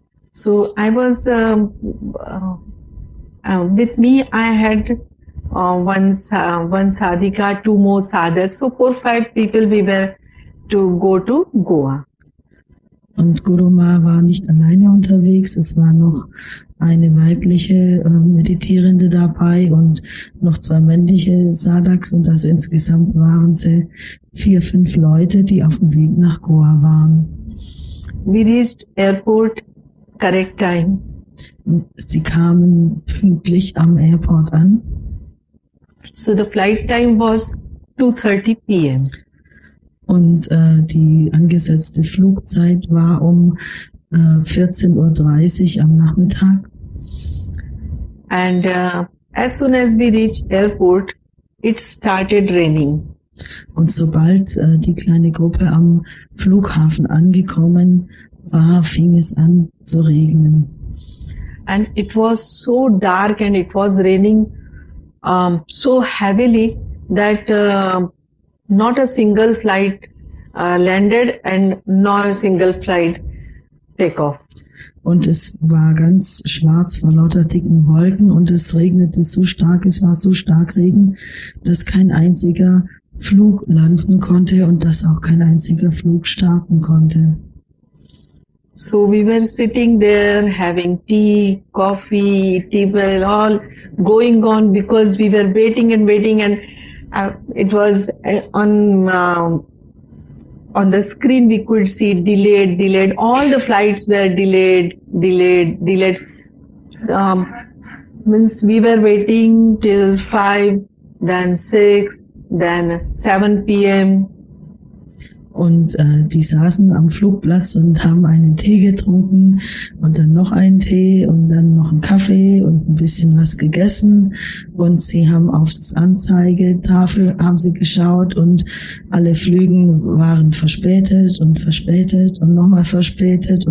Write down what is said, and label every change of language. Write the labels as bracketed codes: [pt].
[en] So I was with me, I had one sadhika, two more sadhak. So 4, 5 people we were to go to Goa. [de] Und Guru Ma war nicht alleine unterwegs. Es war noch eine weibliche Meditierende dabei und noch 2 männliche Sadhaks. Und also insgesamt waren sie 4, 5 Leute, die auf dem Weg nach Goa waren. [en] We reached airport correct time. [de] Sie kamen pünktlich am Airport an. [en] So the flight time was 2:30 p.m. [de] Und die angesetzte Flugzeit war um 14:30 Uhr am Nachmittag. [en] And as soon as we reached airport, it started raining. [de] Und sobald die kleine Gruppe am Flughafen angekommen war, fing es an zu regnen. [en] And it was so dark and it was raining so heavily that not a single flight landed and not a single flight take off. [de] Und es war ganz schwarz vor lauter dicken Wolken und es regnete so stark, es war so stark Regen, dass kein einziger Flug landen konnte und dass auch kein einziger Flug starten konnte. [en] So we were sitting there having tea, coffee, table, all going on because we were waiting and waiting and it was on the screen we could see delayed, delayed. All the flights were delayed, delayed, delayed. Means we were waiting till 5, then 6, then 7 p.m. [de] Und die saßen am Flugplatz und haben einen Tee getrunken und dann noch einen Tee und dann noch einen Kaffee und ein bisschen was gegessen. Und sie haben auf das Anzeigetafel haben sie geschaut und alle Flüge waren verspätet und verspätet und nochmal verspätet.